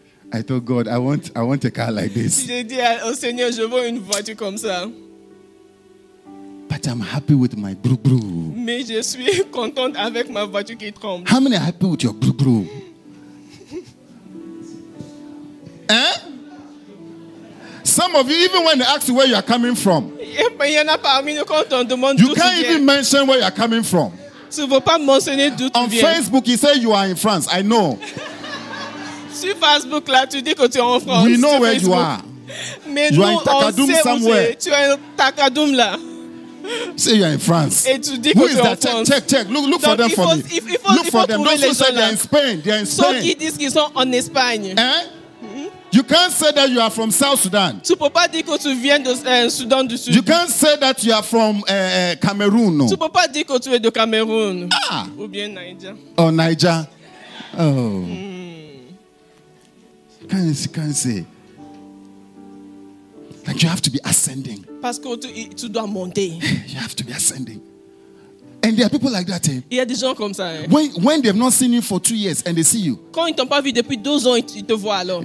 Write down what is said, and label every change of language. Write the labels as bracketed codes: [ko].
[en] I told God, I want a car like this. [fr] J'ai dit au Seigneur, je veux une voiture comme ça. [en] But I'm happy with my brou-brou. [fr] Mais je suis contente avec ma voiture qui tremble. [en] How many are happy with your brou-brou? Hein? Some of you, even when they ask you where you are coming from, you can't even mention where you are coming from. On Facebook, you say you are in France. I know. [fr] Sur Facebook, là, tu dis que tu es en France. [en] We know where you are. [fr] Mais nous, [en] you are in Takadoum somewhere. [fr] Tu es en Takadoum là. [en] Say you are in France. [fr] Et tu dis que [en] who is that? Check. Look for them for me. Look for them. Don't you say they are in Spain? They are in Spain. [fr] Ceux qui disent qu'ils sont en Espagne. Hein? [en] You can't say that you are from South Sudan. [fr] Tu peux pas dire que tu viens de Sudan du Sud. [en] You can't say that you are from Cameroon. No. [fr] Tu peux pas dire que tu es de Cameroun. Ah. Ou bien Niger. Oh, Niger. Oh. [en] Mm. Can't say. Like you have to be ascending. [fr] Parce que tu dois monter. [en] You have to be ascending. And there are people like that. Eh? [fr] Il y a des gens comme ça. Eh? [en] When they have not seen you for 2 years and they see you. [fr] Quand ils t'ont pas vu depuis 2 ans, ils te voient alors.